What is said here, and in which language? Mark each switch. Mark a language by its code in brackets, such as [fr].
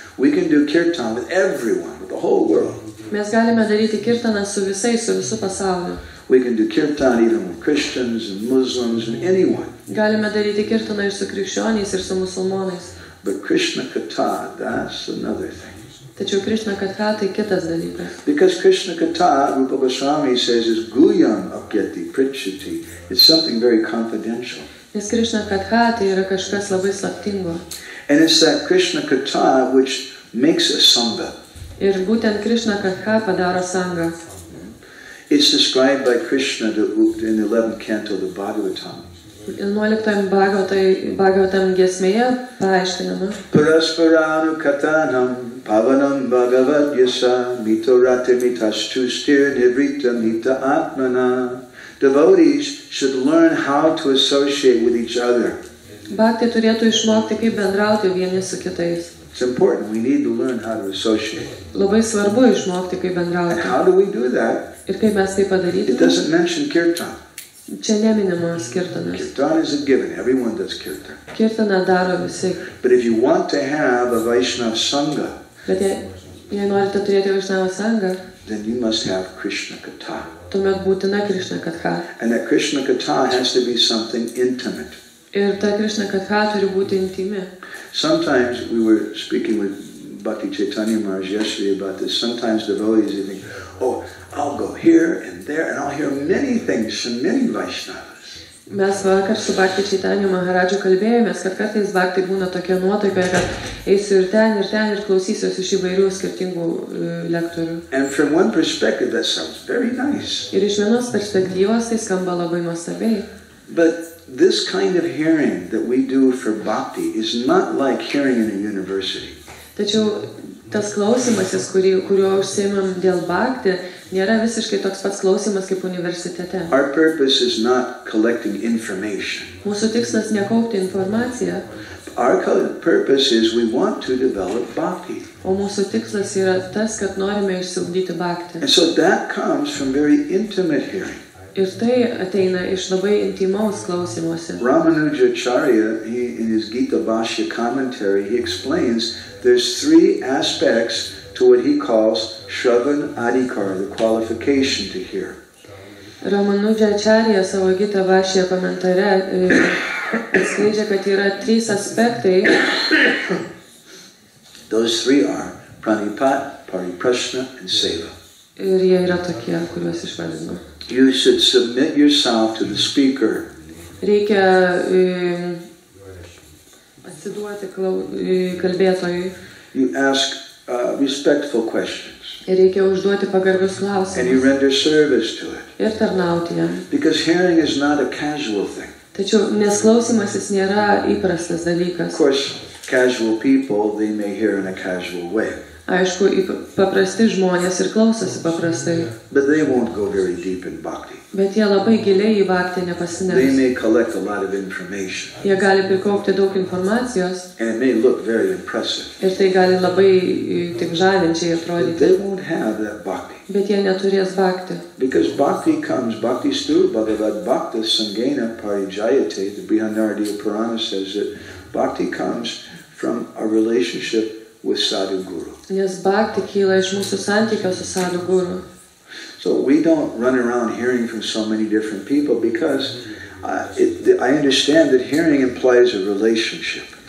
[en] We can do kirtan with everyone, with the whole world. [lt] Mes galime daryti kirtaną su visais, su visu pasauliu. [en] We can do kirtan even with Christians and Muslims and anyone. [lt] Galime daryti kirtaną ir su krikščioniais, ir su musulmonais. [en] But Krishna Katha, that's another thing. [lt] Tačiau Krishna Katha, tai kitas dalykas. [en] Because Krishna Katha, Rupa Goswami says, is [sa] guyam apgeti prichiti. [en] It's something very confidential. [lt] Nes Krishna Katha, tai yra kažkas labai slaptingo. [en] And it's that Krishna Katha which makes a sangha. [lt] Ir būtent Krishna Katha padaro sangha. [en] It's described by Krishna in the 11th canto of the Bhagavatam. [lt] 11. Bhagavatam giesmėje paaiškinama. [sa] Parasparanu katanam pavanam bhagavad yasa mito rati mitashtu stir nivrita mita atmana. [en] Devotees should learn how to associate with each other. [lt] Bhakti turėtų išmokti, kaip bendrauti vieni su kitais. [en] It's important. We need to learn how to associate. [lt] Labai svarbu išmokti, kaip bendrauti. [en] And how do we do that? [lt] Ir kaip mes tai padarytume? [en] It doesn't mention kirtan. [lt] Čia neminima kirtanas. [en] Kirtan is a given. Everyone does kirtan. [lt] Kirtaną daro visi. [en] But if you want to have a Vaishnava sangha, [lt] bet jei norite turėti Vaishnava sangha, [en] then you must have Krishna Katha. [lt] Tuomet būtina Krishna Katha. [en] And that Krishna Katha has to be something intimate. [lt] Ir ta Krishna Katha turi būti intimi. [en] Sometimes we were speaking with Bhakti Chaitanya Maharaj yesterday about this. Sometimes devotees think, oh, I'll go here and there and I'll hear many things from many Vaishnavas. [lt] Mes vakar su Bhakti Chaitanya Maharadžu kalbėjomės, kad kartais Bhakti būna tokia nuotaika, kad eisiu ir ten, ir ten, ir klausysiuosi iš įvairių skirtingų lektorių. [en] And from one perspective, that sounds very nice. [lt] Ir iš vienos perspektyvos tai skamba labai nuostabiai. [en] But this kind of hearing that we do for Bhakti is not like hearing in a university. [lt] Tačiau tas klausimasis, kurio užsiėmėm dėl Bhakti, nėra visiškai toks pats klausimas kaip universitete. [en] Our purpose is not collecting information. [lt] Mūsų tikslas nekaupti informaciją. [en] Our purpose is we want to develop bhakti. [lt] O mūsų tikslas yra tas, kad norime išsiugdyti bhakti. [en] And so that comes from very intimate hearing. [lt] Ir tai ateina iš labai intymaus klausimuose. [en] Ramanujacharya, in his Gita Bhashya commentary, he explains there's three aspects to what he calls shravan adhikar, the qualification to hear. [lt] Ramanujacharya savo Gita Bhashya komentare atskleidžia, kad yra trys aspektai. [en] Those three are pranipat, pariprasna, and seva. [lt] Ir jie yra tokie, kuriuos išvardinau. [en] You should submit yourself to the speaker. [lt] Reikia atsiduoti kalbėtojui. [en] You ask respectful questions. [lt] Reikia užduoti pagarbius klausimus. [en] And you render service to it. [lt] Ir tarnauti jam. [en] Because hearing is not a casual thing. [lt] Tačiau nes klausimasis nėra įprastas dalykas. [en] Of course, casual people, they may hear in a casual way. [lt] Aišku, paprasti žmonės ir klausosi paprastai. [en] But they won't go very deep in bhakti. [lt] Bet jie labai giliai į bhakti nepasineria. [en] They may collect a lot of information. [lt] Jie gali prikaupti daug informacijos. [en] And it may look very impressive. [lt] Ir tai gali labai tik žavinčiai atrodyti. [en] They won't have that bhakti. [lt] Bet jie neturės bhakti. [en] Because bhakti comes, [sa] bhakti stu, bhagavad bhakti sangena parijayate, [en] the Brihadaranyaka Purana says that bhakti comes from a relationship with sadhu guru. [lt] Nes bhakti kyla iš mūsų santykio su sadhu guru. [en] So we don't run around hearing from so many different people because I understand that hearing implies a relationship.